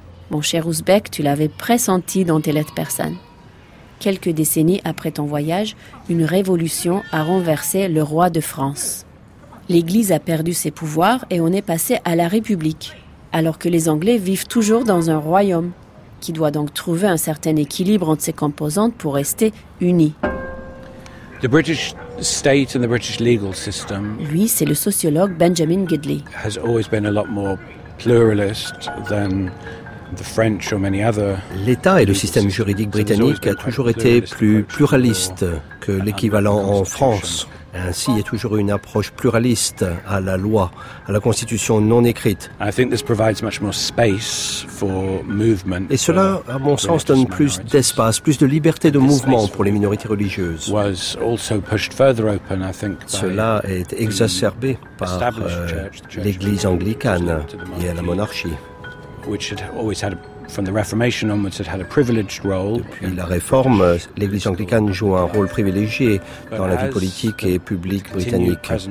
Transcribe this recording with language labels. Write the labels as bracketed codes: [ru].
[fr] Mon cher Ouzbek, tu l'avais pressenti dans tes lettres persanes. Quelques décennies après ton voyage, une révolution a renversé le roi de France. L'Église a perdu ses pouvoirs et on est passé à la République, alors que les Anglais vivent toujours dans un royaume, qui doit donc trouver un certain équilibre entre ses composantes pour rester unis. [en] The British state and the British legal system. [fr] Lui, c'est le sociologue Benjamin Gidley. [en] Has always been a lot more pluralist than the French or many other. [fr] L'État et le système juridique britannique a toujours été plus pluraliste que l'équivalent en France. Ainsi, il y a toujours une approche pluraliste à la loi, à la constitution non écrite. [en] I think this provides much more space for movement. [fr] Et cela, à mon sens, donne plus d'espace, plus de liberté de mouvement pour les minorités religieuses. [en] Was also pushed further open, I think. [fr] Cela est exacerbé par l'Église anglicane liée à la monarchie. [en] Which had always had, from the Reformation onwards, had a privileged role. [fr] Depuis la Réforme, l'Église anglicane joue un rôle privilégié dans la vie politique et publique britannique.